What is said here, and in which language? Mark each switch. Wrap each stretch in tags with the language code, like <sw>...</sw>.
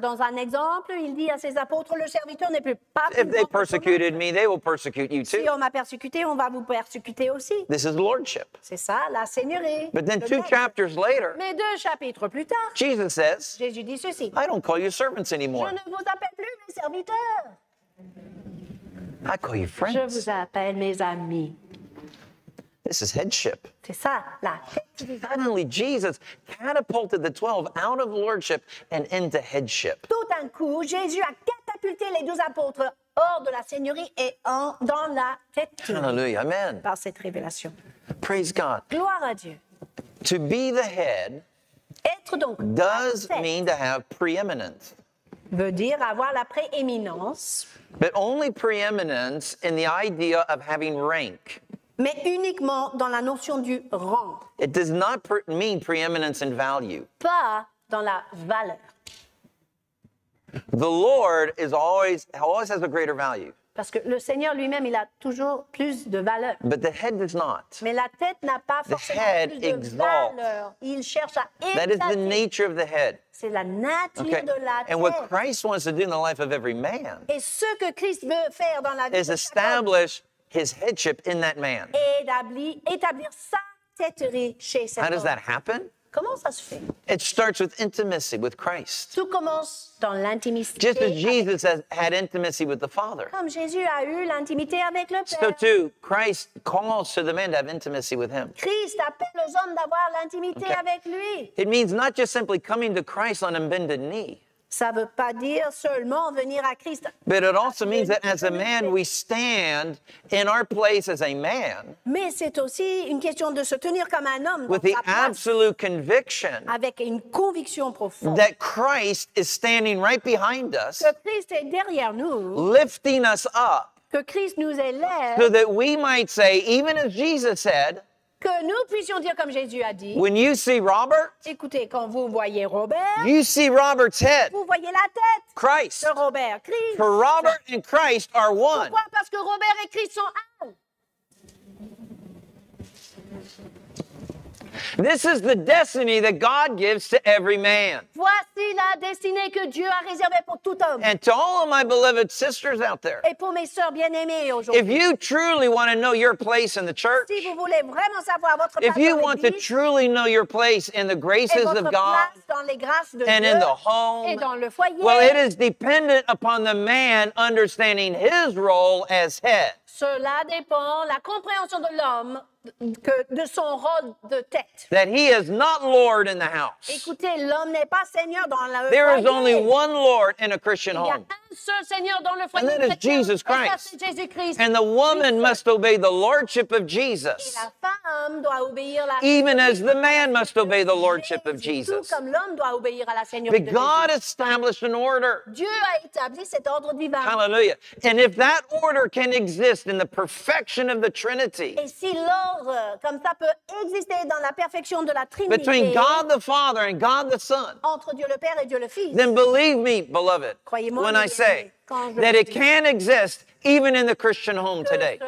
<fr>Dans un exemple, il dit à ses apôtres, le serviteur n'est plus pas.</fr> <en>If they persecuted me, they will persecute you too.</en> <fr>Si on m'a persécuté, on va vous persécuter aussi.</fr> <en>This is lordship.</en> <fr>C'est ça la seigneurie.</fr> <en>But then two chapters later.</en> <fr>Mais deux chapitres plus tard.</fr> <en>Jesus says.</en> <fr>Jésus dit ceci.</fr> <en>I don't call you servants anymore.</en> <fr>Je ne vous appelle plus mes serviteurs.</fr> <en>I call you friends.</en> <fr>Je vous appelle mes amis.</fr> <en>This is headship.</en> <fr>C'est ça, la</fr> <en>Suddenly, Jesus catapulted the 12 out of lordship and into headship.</en> <fr>Tout d'un coup, Jésus a catapulté les 12 apôtres hors de la seigneurie et en dans la tête.</fr> <en>Hallelujah, amen.</en> <fr>Par cette révélation.</fr> <en>Praise God.</en> <fr>Gloire à Dieu.</fr> <en>To be the head</en> <fr>Être donc</fr> <en>does mean to have preeminence.</en> <fr>Veut dire avoir la prééminence.</fr> <en>But only preeminence in the idea of having rank.</en> <fr>Mais uniquement dans la notion du rang.</fr> <en>It does not mean preeminence in value.</en> <fr>Pas dans la valeur.</fr> <en>The Lord is always has a greater value.</en> <fr>Parce que le Seigneur lui-même, il a toujours plus de valeur.</fr> <en>But the head does not.</en> <fr>Mais la tête n'a pas</fr> <en>the</en> <fr>forcément plus</fr> <en>exalts.</en> <fr>De valeur. Il cherche à exalter.</fr> <en>That is the nature of the head.</en> <fr>C'est la nature okay. de la</fr> <en>And</en> <fr>tête.</fr> <en>And what Christ wants to do in the life of every man</en> <fr>Et ce que Christ veut faire dans la vie</fr> <en>is establish his headship in that man.</en> <fr>Établir sa têterie chez cet</fr> <en>homme. How does that happen?</en> <fr>Comment ça se fait?</fr> <en>It starts with intimacy with Christ.</en> <fr>Tout commence dans l'intimité.</fr> <en>Just as Jesus had intimacy with the Father.</en> <fr>Comme Jésus a eu l'intimité avec le Père.</fr> <en>So too, Christ calls to the man to have intimacy with him.</en> <fr>Christ appelle aux hommes d'avoir l'intimité okay. avec lui.</fr> <en>It means not just simply coming to Christ on a bended knee.</en> <fr>Ça veut pas dire seulement venir à Christ.</fr> <en>But it also means that as a man, we stand in our place as a man.</en> <fr>Mais c'est aussi une question de se tenir comme un homme.</fr> <en>With the absolute conviction.</en> <fr>Avec une conviction profonde.</fr> <en>That Christ is standing right behind us.</en> <fr>Que Christ est derrière nous.</fr> <en>Lifting us up.</en> <fr>Que Christ nous élève.</fr> <en>So that we might say, even as Jesus said.</en> <fr>Que nous puissions dire comme Jésus a dit.</fr> <en>When you see Robert,</en> <fr>écoutez, quand vous voyez Robert,</fr> <en>you see Robert's head.</en> <fr>Vous voyez la tête.</fr> <en>Christ.</en> <fr>De Robert, Christ.</fr> <en>For Robert and Christ are one.</en> <fr>Pourquoi? Parce que Robert et Christ sont un.</fr> <en>This is the destiny that God gives to every man.</en> <fr>Voici la destinée que Dieu a réservée pour tout homme.</fr> <en>And to all of my beloved sisters out there.</en> <fr>Et pour mes sœurs bien-aimées aujourd'hui.</fr> <en>If you truly want to know your place in the church.</en> <fr>Si vous voulez vraiment savoir votre place.</fr> <en>If you want to truly know your place in the graces of God.</en> <fr>Et votre place dans les grâces de Dieu.</fr> <en>And in the home.</en> <fr>Et dans le foyer.</fr> <en>Well, it is dependent upon the man understanding his role as head.</en> <fr>Cela dépend la compréhension de l'homme. Que de son rôle de tête.</fr> <en>That he is not Lord in the house.</en> <fr>Écoutez, l'homme n'est pas seigneur dans le foyer.</fr> <en>There is only one Lord in a Christian home.</en> <fr>Il y a un seul seigneur dans le foyer.</fr> <en>And that is Jesus Christ.</en> <fr>Et ça, c'est Jésus Christ.</fr> <en>And the woman must obey the lordship of Jesus.</en> <fr>Et la femme doit obéir la</fr> <en>Even as the man must obey the lordship of Jesus.</en> <fr>Tout comme l'homme doit obéir à la seigneurie</fr> <en>But God established an order.</en> <fr>Dieu a établi cet ordre divin.</fr> <en>Hallelujah. And if that order can exist in the perfection of the Trinity.</en> <fr>Et si l'ordre comme ça peut exister dans la perfection de la Trinité</fr> <en>Between God the Father and God the Son,</en> <fr>entre Dieu le Père et Dieu le Fils</fr> <en>then believe me, beloved,</en> <fr>croyez-moi</fr> <en>when I say that it can exist even in the Christian home today.</en>